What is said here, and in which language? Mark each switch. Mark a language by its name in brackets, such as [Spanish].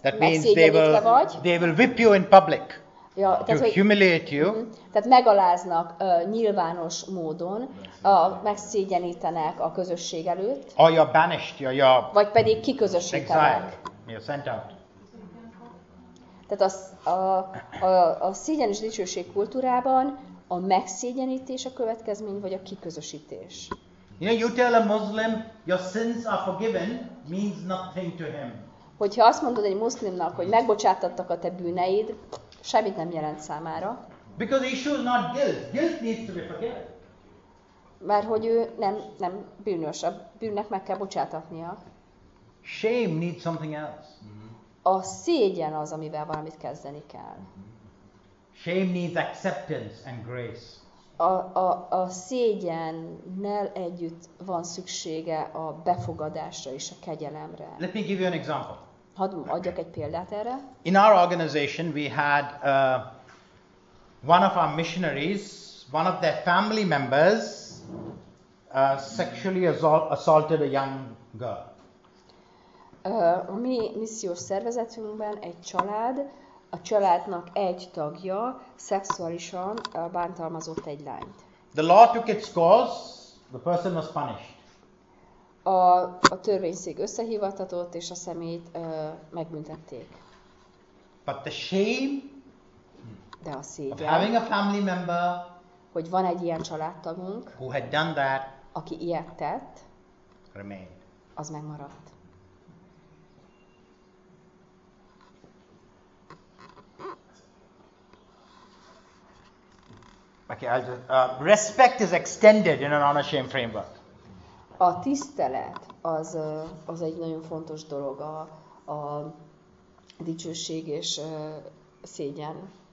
[English] That means they will whip you in public. Ja, to [Hungarian] tehát, [English] humiliate [Hungarian] hogy, [English] you. [Hungarian] Tehát megaláznak nyilvános módon, megszégyenítenek a közösség előtt. [English] Or you're banished, you're [Hungarian] vagy pedig kiközösítenek. [English] You're sent out. [Hungarian] Tehát a szégyen és dicsőség kultúrában a megszégyenítés a következmény, vagy a kiközösítés. [English] You know, you tell a Muslim your sins are forgiven means nothing to him. [Hungarian] Hogyha azt mondod egy muszlimnak, hogy megbocsátottak a te bűneid, semmit nem jelent számára. [English] Because the issue is not guilt. Guilt needs to be forgiven. [Hungarian] Mert hogy ő nem bűnös, a bűnnek meg kell bocsátatnia. [English] Shame needs something else. [Hungarian] A szégyen az, amivel valamit kezdeni kell. [English] Shame needs acceptance and grace. [Hungarian] A szégyennel együtt van szüksége a befogadásra és a kegyelemre. [English] Let me give you an example. [Hungarian] Hadd adjak egy példát erre. [English] In our organization we had one of our missionaries, one of their family members sexually assaulted a young girl. [Hungarian] A mi missziós szervezetünkben egy család, a családnak egy tagja szexuálisan bántalmazott egy lányt. [English] The law took its course, the person was punished. [Hungarian] A törvényszék összehivatatott, és a személyt megbüntették. [English] But the shame, [Hungarian] de a szégyen, [English] of having a family member, [Hungarian] hogy van egy ilyen családtagunk, [English] who had done that, [Hungarian] aki ilyet tett, [English] remained. [Hungarian] Az megmaradt. [English] Okay, I'll just, respect is extended in an honor shame framework. [Hungarian] A tisztelet az egy nagyon fontos dolog a dicsőség és szégyen.